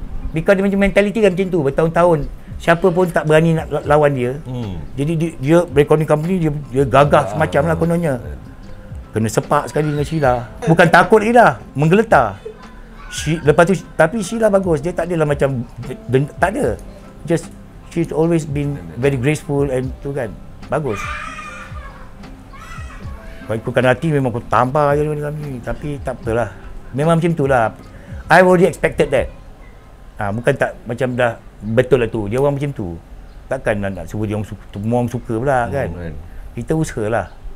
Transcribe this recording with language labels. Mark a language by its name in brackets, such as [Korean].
[Malay] Because dia macam mentality kan macam tu, bertahun-tahun. Siapa pun tak berani nak lawan dia. Jadi dia recording company dia gagah semacam lah kononnya. Kena sepak sekali dengan Sheila. Bukan takut dia lah, menggeletar. Lepas tu, tapi Sheila bagus. Dia tak adalah macam, tak ada. [English] Just, she's always been very graceful and [Malay] tu kan. Bagus. Kalau ikutkan hati memang aku tambah je dengan kami. Tapi tak betulah. Memang macam tu lah. [English] I already expected that. [Malay] Bukan tak macam dah betul lah tu. Dia orang macam tu. Takkan nak suruh dia orang suka pula kan. Kita usaha lah.